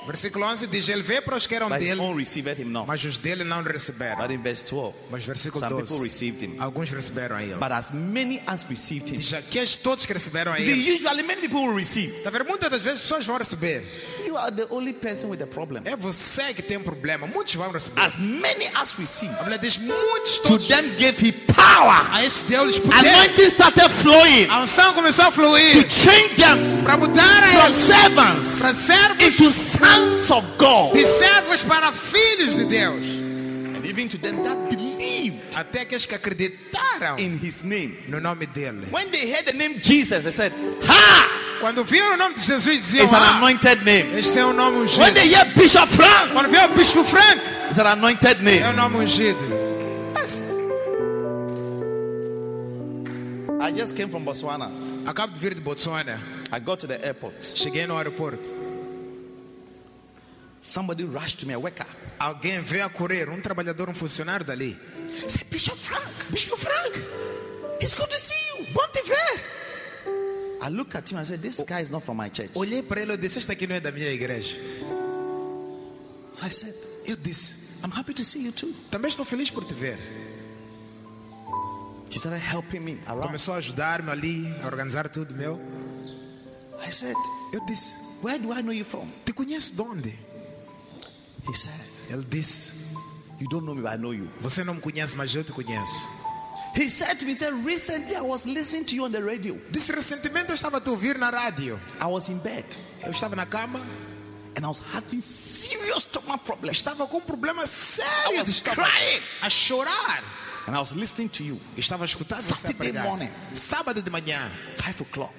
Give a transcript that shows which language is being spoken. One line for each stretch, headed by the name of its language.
Portuguese: Versículo 11 diz ele veio para os que eram
English: but
Portuguese: dele.
English: But his own received him not.
Portuguese: Mas os dele não receberam.
English: But in verse 12.
Portuguese: Mas versículo 12.
English: Some people received him.
Portuguese: Alguns receberam a ele.
English: But as many as received him.
Portuguese: Diz aqueles todos que receberam a ele.
English: Usually many people will receive.
Portuguese: Da verdade muitas das vezes pessoas vão receber.
English: You You are the only person with a problem.
Portuguese: É você que tem problema. Muitos vão receber.
English: As many as we see.
Portuguese: A Bíblia diz, muitos
English: to them gave he power.
Portuguese: A esse deles poder.
English: Anointing started flowing.
Portuguese: A unção começou a fluir.
English: To change them
Portuguese: para mudar
English: from servants
Portuguese: para servos
English: into sons of God.
Portuguese: De servos para filhos de Deus.
English: And even to them that believed.
Portuguese: Até aqueles que acreditaram
English: in his name.
Portuguese: No nome dele.
English: When they heard the name Jesus, they said, ha!
Portuguese: Quando viram o nome de Jesus, diziam,
English: it's an anointed name.
Portuguese: Este é um nome ungido.
English: When they hear Bishop Frank,
Portuguese: quando viram o Bispo Frank,
English: it's an anointed name.
Portuguese: É um nome ungido.
English: Yes. I just came from Botswana.
Portuguese: Acabo de vir de Botswana.
English: I got to the airport.
Portuguese: Cheguei no aeroporto.
English: Somebody rushed to me, a worker.
Portuguese: Alguém veio a correr, um trabalhador, um funcionário dali.
English: Said, Bishop Frank, Bispo Frank, it's good to see you.
Portuguese: Bom te ver.
English: I looked at him and said, this guy is not from my church.
Portuguese: Olhei para ele e disse, este aqui não é da minha igreja.
English: So I said,
Portuguese: eu disse,
English: I'm happy to see you too.
Portuguese: Também estou feliz por te ver.
English: She started helping me around.
Portuguese: Começou a ajudar-me ali, a organizar tudo meu.
English: I said,
Portuguese: eu disse,
English: where do I know you from?
Portuguese: Te conheço de onde?
English: He said,
Portuguese: ele disse,
English: you don't know me, but I know you.
Portuguese: Você não me conhece, mas eu te conheço.
English: He said to me, said, recently I was listening to you on the radio.
Portuguese: Disse, recentemente eu estava a te ouvir na rádio.
English: I was in bed.
Portuguese: Eu estava na cama.
English: And I was having serious stomach problems.
Portuguese: Estava com um problema sério.
English: I was crying.
Portuguese: A chorar.
English: And I was listening to you.
Portuguese: Eu estava a escutar você a pregar. Saturday morning. Sábado de manhã.
English: 5 o'clock.